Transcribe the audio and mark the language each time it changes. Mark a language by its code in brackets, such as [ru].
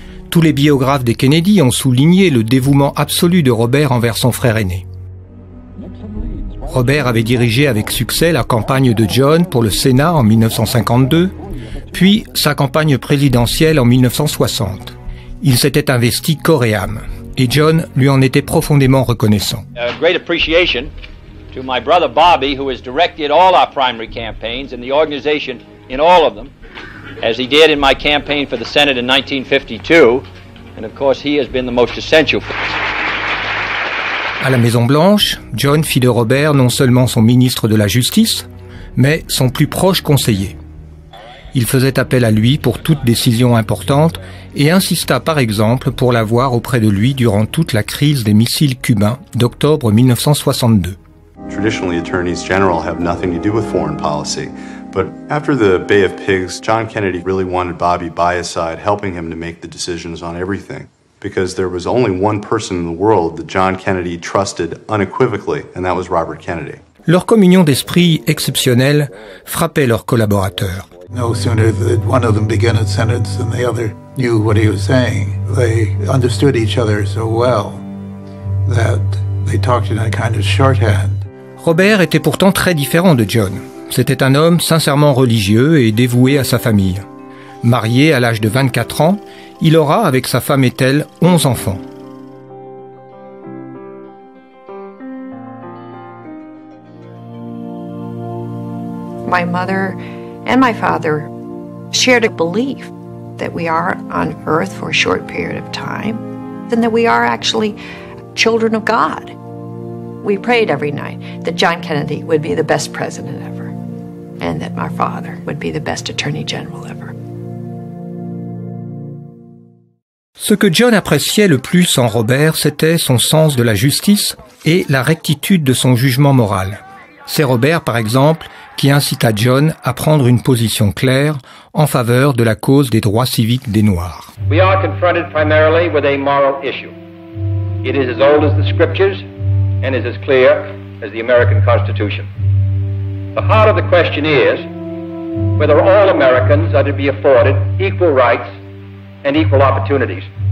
[fr] Tous les biographes des Kennedy ont souligné le dévouement absolu de Robert envers son frère aîné. Robert avait dirigé avec succès la campagne de John pour le Sénat en 1952, puis sa campagne présidentielle en 1960. Il s'était investi corps et âme, et John lui en était profondément reconnaissant. [en] A great appreciation to my brother Bobby, who has directed all our primary campaigns and the organization in all of them, as he did in my campaign for the Senate in 1952, and of course he has been the most essential for this. [fr] À la Maison Blanche, John fit de Robert non seulement son ministre de la Justice, mais son plus proche conseiller. Il faisait appel à lui pour toute décision importante et insista par exemple pour l'avoir auprès de lui durant toute la crise des missiles cubains d'octobre 1962. [en] Traditionally, attorneys general have nothing to do with foreign policy. But after the Bay of Pigs, John Kennedy really wanted Bobby by his side, helping him to make the decisions on everything. Because there was only one person in the world that John Kennedy trusted unequivocally, and that was Robert Kennedy. [fr] Leur communion d'esprit exceptionnelle frappait leurs collaborateurs. [en] No sooner did one of them begin a sentence than the other knew what he was saying. They understood each other so well that they talked in a kind of shorthand. [fr] Robert était pourtant très différent de John. C'était un homme sincèrement religieux et dévoué à sa famille. Marié à l'âge de 24 ans, il aura, avec sa femme Ethel, 11 enfants. [en] My mother and my father shared a belief that we are on earth for a short period of time, and that we are actually children of God. We prayed every night that John Kennedy would be the best president ever, and that my father would be the best attorney general ever. [fr] Ce que John appréciait le plus en Robert, c'était son sens de la justice et la rectitude de son jugement moral. C'est Robert, par exemple, qui incita John à prendre une position claire en faveur de la cause des droits civiques des Noirs. [en] We are confronted primarily with a moral issue. It is as old as the scriptures and is as clear as the American Constitution. The heart of the question is whether all Americans are to be afforded equal rights and equal opportunities.